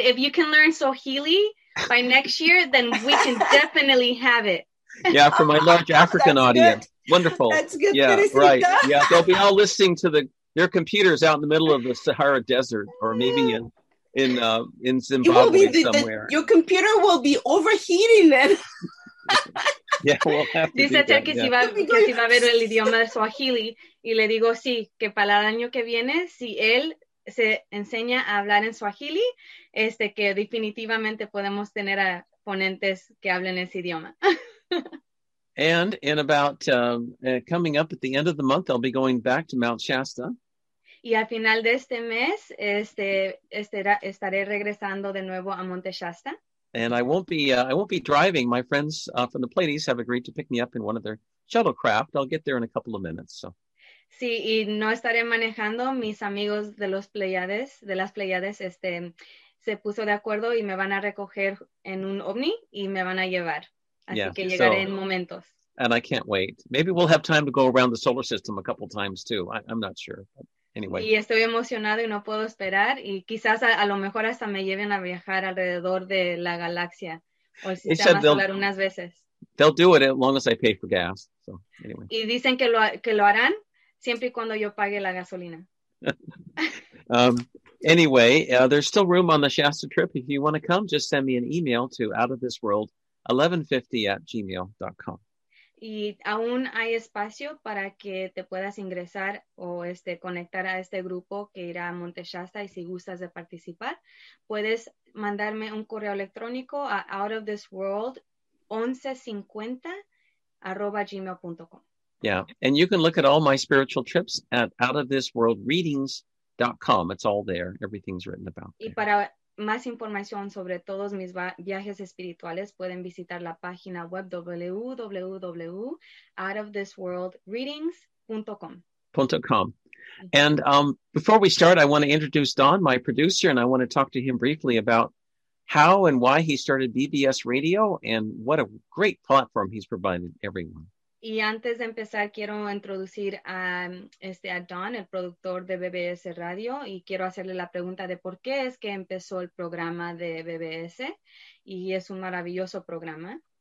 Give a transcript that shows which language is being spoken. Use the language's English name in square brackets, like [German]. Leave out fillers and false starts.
[English] If you can learn Swahili by next year, then we can definitely have it. Yeah, for my large African audience. Good. Wonderful. That's good. Yeah, finishing. Right. Yeah, they'll be all listening to their computers out in the middle of the Sahara Desert, or maybe in Zimbabwe somewhere. Your computer will be overheating then. Yeah, we'll have to. [Spanish] Dice Ted que si va a ver el idioma de Swahili, y le digo sí, que para el año que viene, si él se enseña a hablar en Swahili, que definitivamente podemos tener a ponentes que hablen ese idioma. [English] And in about coming up at the end of the month, I'll be going back to Mount Shasta. [Spanish] Y al final de este mes, estaré regresando de nuevo a Monte Shasta. [English] And I won't be driving. My friends from the Pleiades have agreed to pick me up in one of their shuttlecraft. I'll get there in a couple of minutes. So. [Spanish] Sí, y no estaré manejando. Mis amigos de los Pleiades, se puso de acuerdo y me van a recoger en un ovni y me van a llevar. Así que llegaré en momentos. [English] And I can't wait. Maybe we'll have time to go around the solar system a couple times too. I'm not sure. But anyway. [Spanish] Y estoy emocionado y no puedo esperar. Y quizás a lo mejor hasta me lleven a viajar alrededor de la galaxia. O el sistema solar unas veces. [English] They'll do it as long as I pay for gas. So anyway. [Spanish] Y dicen que lo harán siempre y cuando yo pague la gasolina. [English] Anyway, there's still room on the Shasta trip. If you want to come, just send me an email to outofthisworld1150@gmail.com. [Spanish] Y aún hay espacio para que te puedas ingresar o conectar a este grupo que irá a Monte Shasta, y si gustas de participar, puedes mandarme un correo electrónico a outofthisworld1150@gmail.com. [English] Yeah. And you can look at all my spiritual trips at outofthisworldreadings.com. It's all there. Everything's written about. [Spanish] Y para más información sobre todos mis viajes espirituales, pueden visitar la página web www.outofthisworldreadings.com. [English] And before we start, I want to introduce Don, my producer, and I want to talk to him briefly about how and why he started BBS Radio and what a great platform he's provided everyone. [Spanish] Y antes de empezar, quiero introducir a Don, el productor de BBS Radio, y quiero hacerle la pregunta de por qué es que empezó el programa de BBS, y es un maravilloso programa.